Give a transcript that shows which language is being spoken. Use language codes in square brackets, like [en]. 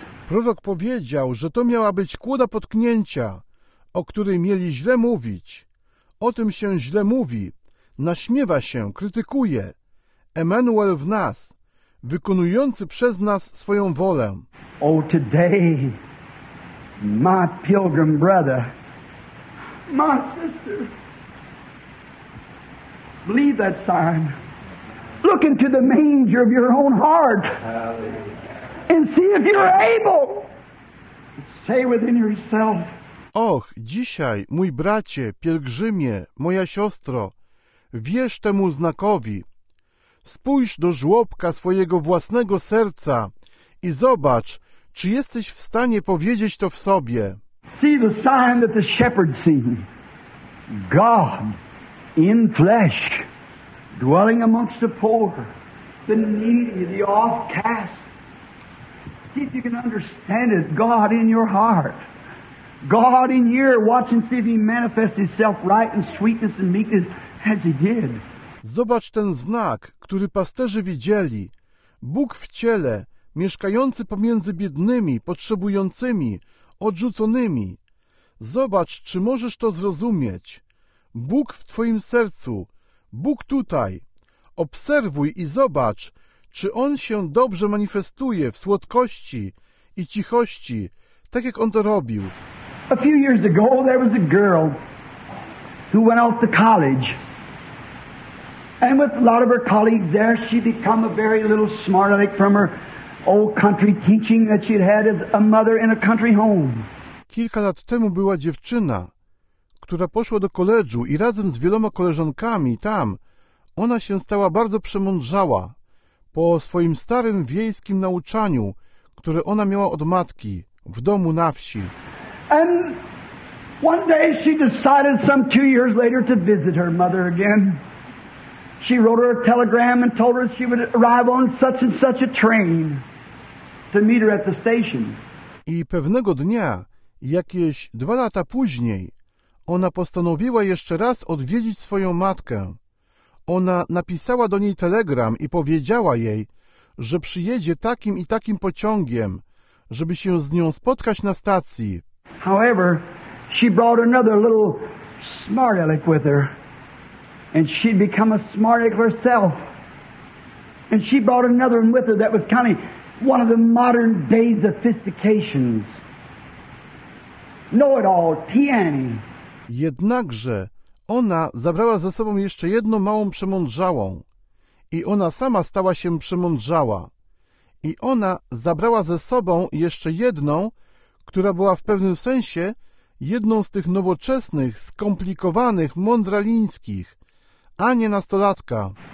[pl] Prorok powiedział, że to miała być kłoda potknięcia, o której mieli źle mówić. O tym się źle mówi, naśmiewa się, krytykuje. Emmanuel w nas, wykonujący przez nas swoją wolę. [en] O, today, my pilgrim brother, my sister, believe that sign. Look into the manger of your own heart. Hallelujah. And see if you're able. Say within yourself. [pl] Och, dzisiaj, mój bracie, pielgrzymie, moja siostro, wierz temu znakowi. Spójrz do żłobka swojego własnego serca i zobacz, czy jesteś w stanie powiedzieć to w sobie. [en] See the sign that the shepherd seen. God in flesh, dwelling amongst the poor, the needy, the outcast. See if you can understand it. God in your heart. God in your ear. Watch and see if he manifests himself right in sweetness and meekness as he did. [pl] Zobacz ten znak, który pasterzy widzieli. Bóg w ciele, mieszkający pomiędzy biednymi, potrzebującymi, odrzuconymi. Zobacz, czy możesz to zrozumieć. Bóg w twoim sercu. Bóg tutaj. Obserwuj i zobacz, czy On się dobrze manifestuje w słodkości i cichości, tak jak On to robił. [en] A few years ago there was a girl who went off to college. And with a lot of her colleagues there, she became a very little smart aleck from her old country teaching that she'd had as a mother in a country home. [pl] Kilka lat temu była dziewczyna, która poszła do koledżu i razem z wieloma koleżankami tam, ona się stała bardzo przemądrzała. Po swoim starym wiejskim nauczaniu, które ona miała od matki, w domu na wsi. [en] And one day she decided some 2 years later to visit her mother again. She wrote her a telegram and told her she would arrive on such and such a train to meet her at the station. [pl] I pewnego dnia, jakieś 2 lata później, ona postanowiła jeszcze raz odwiedzić swoją matkę. Ona napisała do niej telegram i powiedziała jej, że przyjedzie takim i takim pociągiem, żeby się z nią spotkać na stacji. [en] However, she brought another little smart aleck with her, and she'd become a smart aleck herself. And she brought another one with her that was kind of one of the modern day sophistications. Know-it-all, Tiani. [pl] Jednakże ona zabrała ze sobą jeszcze jedną małą przemądrzałą. I ona sama stała się przemądrzała. I ona zabrała ze sobą jeszcze jedną, która była w pewnym sensie jedną z tych nowoczesnych, skomplikowanych, mądralińskich, a nie nastolatka.